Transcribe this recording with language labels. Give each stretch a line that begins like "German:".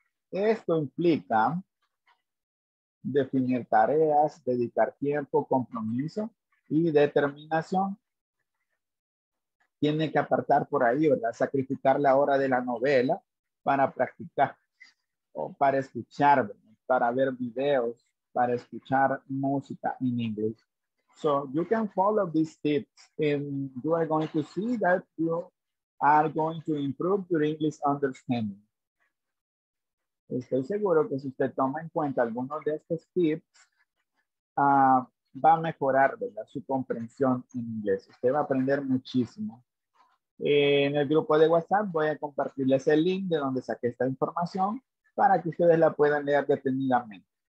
Spanish: Esto implica definir tareas, dedicar tiempo, compromiso y determinación. Tiene que apartar por ahí, ¿verdad? Sacrificar la hora de la novela para practicar o para escuchar, ¿verdad? Para ver videos, para escuchar música en inglés.
English: So you can follow these tips and you are going to see that you are going to improve your English understanding.
Spanish: Estoy seguro que si usted toma en cuenta algunos de estos tips, va a mejorar, ¿verdad? Su comprensión en inglés. Usted va a aprender muchísimo. En el grupo de WhatsApp voy a compartirles el link de donde saqué esta información para que ustedes la puedan leer detenidamente.